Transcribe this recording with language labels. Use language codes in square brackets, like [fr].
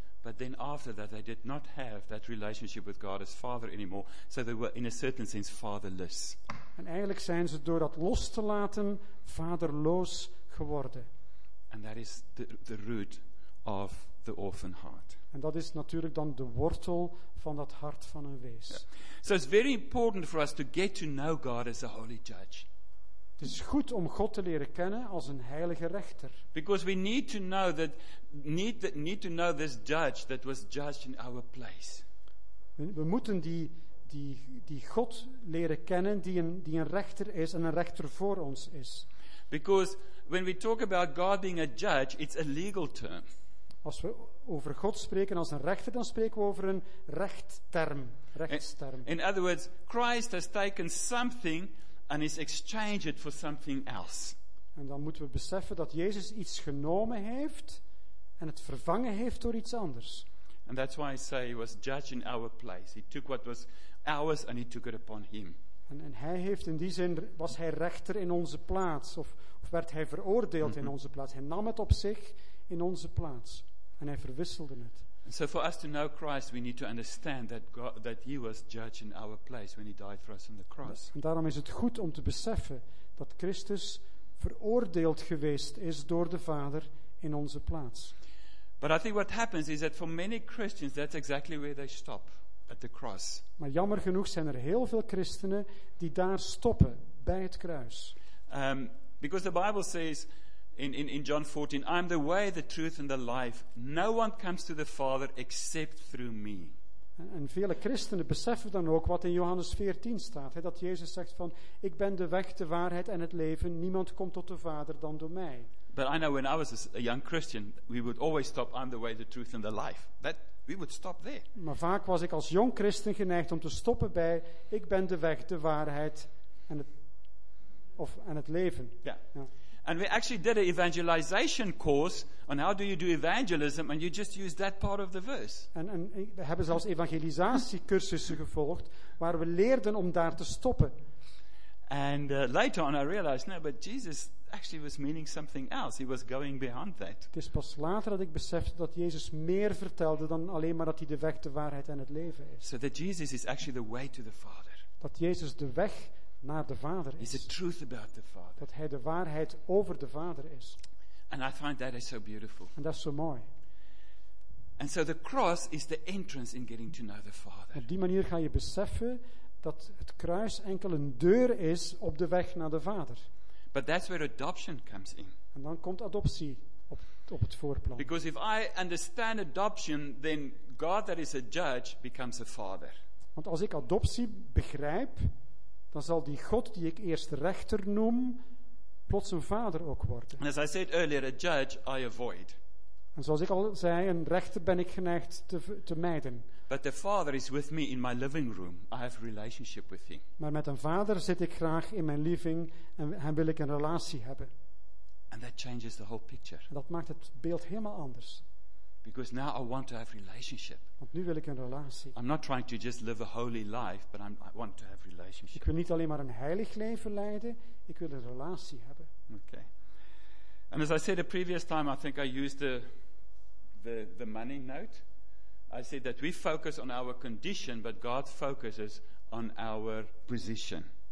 [en] But then after that they did not have that relationship with God as Father anymore, so they were in a certain sense fatherless. [nl] En eigenlijk zijn ze door dat los te laten vaderloos geworden. [en] And that is the root of the orphan heart. [nl] En dat is natuurlijk dan de wortel van dat hart van een wees. [en] Yeah. So it's very important for us to get to know God as a holy judge. [nl] Het is goed om God te leren kennen als een heilige rechter. [en] Because we need to know this judge that was judged in our place. [nl] We moeten die God leren kennen die een rechter is en een rechter voor ons is. [en] Because when we talk about God being a judge, it's a legal term. [nl] Als we over God spreken als een rechter, dan spreken we over een rechtsterm. [en] In other words, Christ has taken something and is exchange it for something else. [nl] En dan moeten we beseffen dat Jezus iets genomen heeft en het vervangen heeft door iets anders. [en] And that's why I say he was judge in our place. He took what was ours and he took it upon him. [nl] En hij heeft in die zin was hij rechter in onze plaats of werd hij veroordeeld in onze plaats. Hij nam het op zich in onze plaats en hij verwisselde het. [en] And so for us to know Christ, we need to understand that God, that he was judge in our place when he died for us on the cross. [nl] En daarom is het goed om te beseffen dat Christus veroordeeld geweest is door de Vader in onze plaats. [en] But I think what happens is that for many Christians, that's exactly where they stop, at the cross. [nl] Maar jammer genoeg zijn er heel veel christenen die daar stoppen, bij het kruis. [en] Because the Bible says In John 14, I am the way, the truth and the life. No one comes to the Father except through me. [nl] En vele christenen beseffen dan ook wat in Johannes 14 staat. Hè, dat Jezus zegt van, ik ben de weg, de waarheid en het leven. Niemand komt tot de Vader dan door mij. [en] But I know when I was a young Christian, we would always stop, I'm the way, the truth and the life. That, we would stop there. [nl] Maar vaak was ik als jong christen geneigd om te stoppen bij, ik ben de weg, de waarheid en het, of, en het leven. Yeah. Ja. [en] And we actually did an evangelization course on how do you do evangelism, and you just use that part of the verse. [nl] En we hebben zelfs evangelisatiecursussen gevolgd waar we leerden om daar te stoppen. [en] And later on I realized, no, but Jesus actually was meaning something else. He was going beyond that. [nl] Het is pas later dat ik besefte dat Jezus meer vertelde dan alleen maar dat hij de weg, de waarheid en het leven is. [en] So that Jesus is actually the way to the Father. [nl] Dat Jezus de weg naar de Vader is. [en] Is the truth about the Father. [nl] Dat hij de waarheid over de Vader is. [en] And I find that is so beautiful. [nl] En dat is zo mooi. [en] And so the cross is the entrance in getting to know the Father. [nl] Op die manier ga je beseffen dat het kruis enkel een deur is op de weg naar de Vader. [en] But that's where adoption comes in. [nl] En dan komt adoptie op het voorplan. [en] Because if I understand adoption, then God that is a judge becomes a father. [nl] Want als ik adoptie begrijp, dan zal die God die ik eerst rechter noem, plots een vader ook worden. [en] And as I said earlier, a judge I avoid. [nl] En zoals ik al zei, een rechter ben ik geneigd te mijden. [en] But the Father is with me in my living room. I have a relationship with him. [nl] Maar met een vader zit ik graag in mijn living en hem wil ik een relatie hebben. [en] And that changes the whole picture. [nl] En dat maakt het beeld helemaal anders. [en] Because now I want to have relationship. [nl] Want nu wil ik een relatie. [en] I'm not trying to just live a holy life, but I want to have relationship. [nl] Ik wil niet alleen maar een heilig leven leiden, ik wil een relatie hebben. [en] Okay. And as I said the previous time, I think I used the money note. I said that we focus on our condition, but God focuses on our position.